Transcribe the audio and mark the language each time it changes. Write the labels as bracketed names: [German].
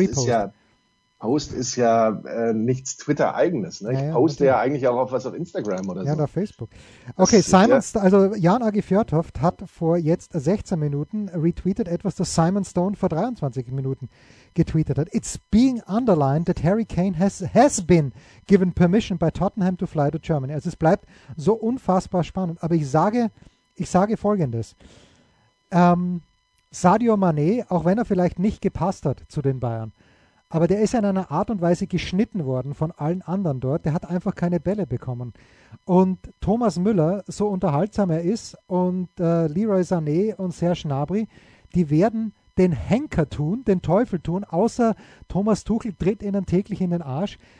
[German] Ist ja, Post ist ja nichts Twitter-Eigenes. Ne? Ich poste ja eigentlich auch auf was auf Instagram oder ja, so. Ja, auf Facebook. Okay, Simon, also Jan Agi Fjörtoft hat vor jetzt 16 Minuten retweetet etwas, das Simon Stone vor 23 Minuten getweetet hat. [English] It's being underlined that Harry Kane has been given permission by Tottenham to fly to Germany. [German] Also es bleibt so unfassbar spannend. Aber ich sage Folgendes. Sadio Mané, auch wenn er vielleicht nicht gepasst hat zu den Bayern, aber der ist in einer Art und Weise geschnitten worden von allen anderen dort. Der hat einfach keine Bälle bekommen. Und Thomas Müller, so unterhaltsam er ist, und Leroy Sané und Serge Gnabry, die werden den Henker tun, den Teufel tun, außer Thomas Tuchel tritt ihnen täglich in den Arsch.